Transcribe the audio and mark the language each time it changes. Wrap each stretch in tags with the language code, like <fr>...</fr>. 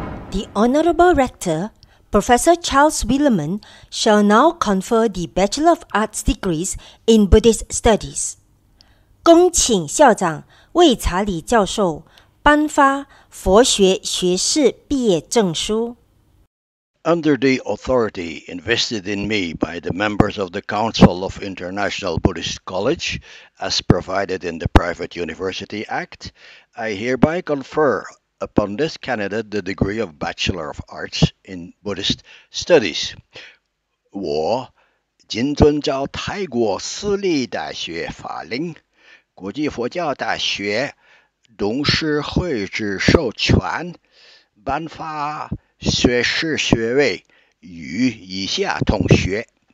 <en>The Honorable Rector, Professor Charles Willeman, shall now confer the Bachelor of Arts degrees in Buddhist Studies.</en> <zh>恭请校长魏查理教授颁发佛学学士毕业证书。</zh> <en>Under the authority invested in me by the members of the Council of International Buddhist College, as provided in the Private University Act, I hereby confer upon this candidate the degree of Bachelor of Arts in Buddhist Studies.</en> <zh>我谨遵照泰国私立大学法令、国际佛教大学董事会之授权，颁发学士学位与以下同学。</zh>